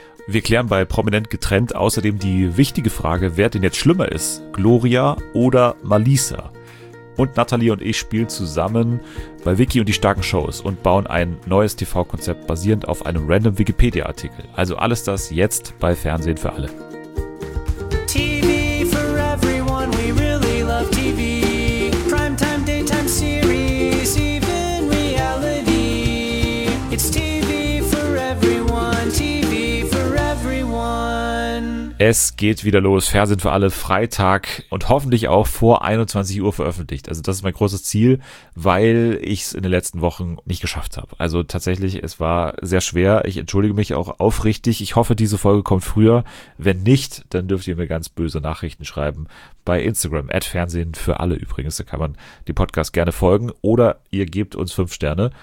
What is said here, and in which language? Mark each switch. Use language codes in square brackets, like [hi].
[de] Wir klären bei Prominent getrennt außerdem die wichtige Frage, wer denn jetzt schlimmer ist, Gloria oder Malisa? Und Natalie und ich spielen zusammen bei Vicky und die starken Shows und bauen ein neues TV-Konzept basierend auf einem random Wikipedia-Artikel. Also alles das jetzt bei Fernsehen für alle. [en] TV for everyone, we really love TV. Primetime, daytime series, even reality. It's TV for everyone, TV for everyone. [de] Es geht wieder los, Fernsehen für alle, Freitag und hoffentlich auch vor 21 Uhr veröffentlicht. Also das ist mein großes Ziel, weil ich es in den letzten Wochen nicht geschafft habe. Also tatsächlich, es war sehr schwer. Ich entschuldige mich auch aufrichtig. Ich hoffe, diese Folge kommt früher. Wenn nicht, dann dürft ihr mir ganz böse Nachrichten schreiben bei Instagram, @fernsehenfuralle übrigens. Da kann man dem Podcast gerne folgen oder ihr gebt uns 5 Sterne.